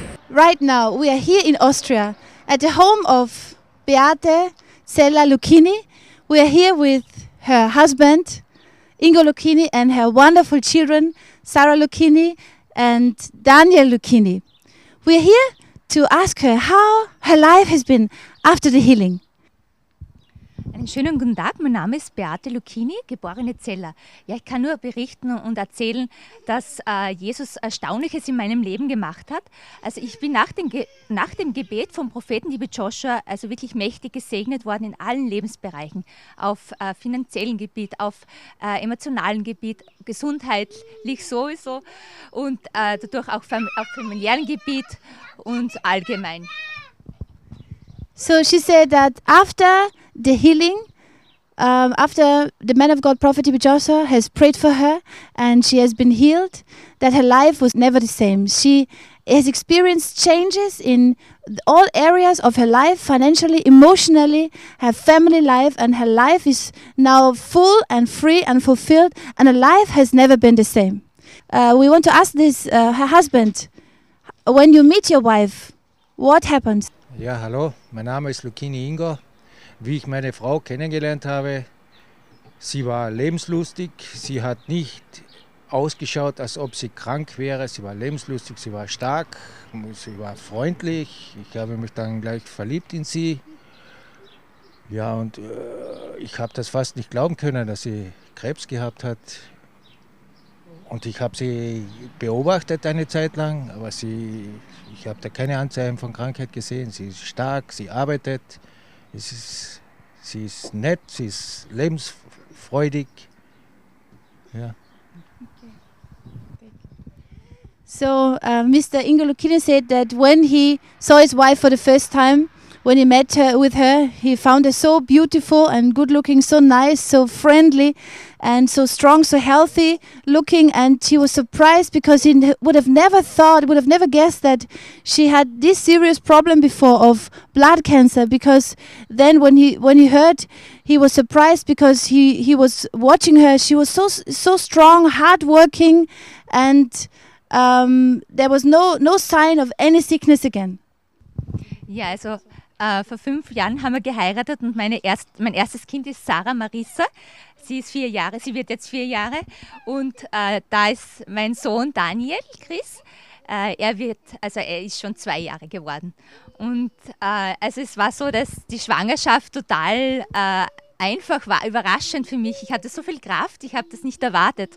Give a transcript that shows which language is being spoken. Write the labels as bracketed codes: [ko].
[en] Right now, we are here in Austria, at the home of Beate Zeller Lucchini. We are here with her husband, Ingo Lucchini, and her wonderful children, Sarah Lucchini and Daniel Lucchini. We are here to ask her how her life has been after the healing. [de] Einen schönen guten Tag, mein Name ist Beate Lucchini, geborene Zeller. Ja, ich kann nur berichten und erzählen, dass Jesus Erstaunliches in meinem Leben gemacht hat. Also ich bin nach dem Gebet vom Propheten, liebe Joshua, also wirklich mächtig gesegnet worden in allen Lebensbereichen. Auf finanziellen Gebiet, auf emotionalen Gebiet, gesundheitlich sowieso und dadurch auch auf familiären Gebiet und allgemein. [en] So she said that after the healing, after the man of God, Prophet T.B. Joshua, has prayed for her and she has been healed, that her life was never the same. She has experienced changes in all areas of her life, financially, emotionally, her family life, and her life is now full and free and fulfilled, and her life has never been the same. We want to ask this, her husband, when you meet your wife, what happens? [de] Ja, hallo, mein Name ist Lucchini Ingo. Wie ich meine Frau kennengelernt habe, sie war lebenslustig, sie hat nicht ausgeschaut, als ob sie krank wäre. Sie war lebenslustig, sie war stark, sie war freundlich. Ich habe mich dann gleich verliebt in sie. Ja, und ich habe das fast nicht glauben können, dass sie Krebs gehabt hat. Und ich habe sie beobachtet eine Zeit lang, aber ich habe da keine Anzeichen von Krankheit gesehen. Sie ist stark, sie arbeitet, sie ist nett, sie ist lebensfreudig. Ja. [en] So, Mr. Ingo Lucchini said that when he saw his wife for the first time, when he met her, with her, he found her so beautiful and good looking, so nice, so friendly, and so strong, so healthy looking. And he was surprised because he would have never guessed that she had this serious problem before of blood cancer. Because then when he heard, he was surprised because he was watching her. She was so strong, hardworking, and there was no sign of any sickness again. [de] Ja, also vor 5 Jahren haben wir geheiratet und mein erstes Kind ist Sarah Marissa. Sie wird jetzt vier Jahre und da ist mein Sohn Daniel, Chris. Er ist schon 2 Jahre geworden. Und also es war so, dass die Schwangerschaft total einfach war, überraschend für mich. Ich hatte so viel Kraft, ich habe das nicht erwartet.